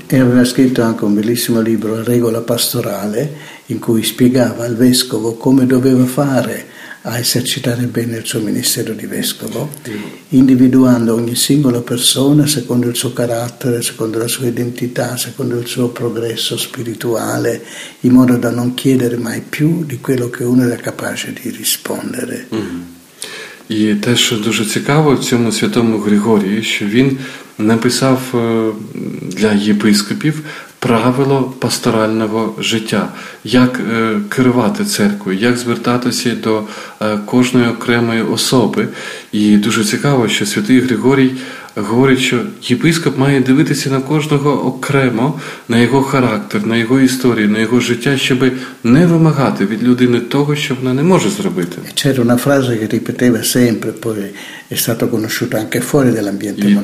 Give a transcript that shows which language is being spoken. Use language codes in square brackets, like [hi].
[it] E aveva scritto anche un bellissimo libro, Regola Pastorale, in cui spiegava al vescovo come doveva fare a esercitare bene il suo ministero di vescovo, individuando ogni singola persona secondo il suo carattere, secondo la sua identità, secondo il suo progresso spirituale, in modo da non chiedere mai più di quello che uno era capace di rispondere. [uk] І те, що дуже цікаво в цьому святому Григорії, що він написав для єпископів правило пасторального життя, як керувати церквою, як звертатися до кожної окремої особи. І дуже цікаво, що святий Григорій говорить, що єпископ має дивитися на кожного окремо, на його характер, на його історію, на його життя, щоб не вимагати від людини того, що вона не може зробити. [it] C'era una frase che ripeteva sempre, poi è stato conosciuto anche fuori dell'ambiente monastico.